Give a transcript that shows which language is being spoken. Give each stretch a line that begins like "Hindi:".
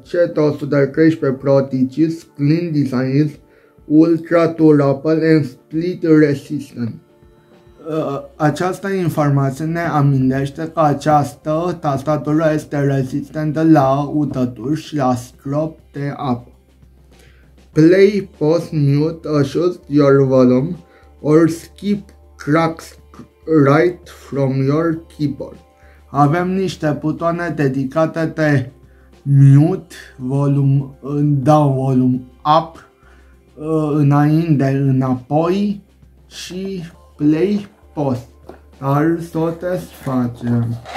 English: C113 Prodigy's clean design is ultra durable and split resistant.
Romanian: Această informație ne amintește că această tastatură este rezistentă la udături și la strop de apă.
English: Play, pause, mute, adjust your volume, or skip tracks right from your keyboard.
Romanian: Avem niște butoane dedicate de mute, volume down, volume up, înainte, înapoi, și play, pause. Dar s-o desfacem.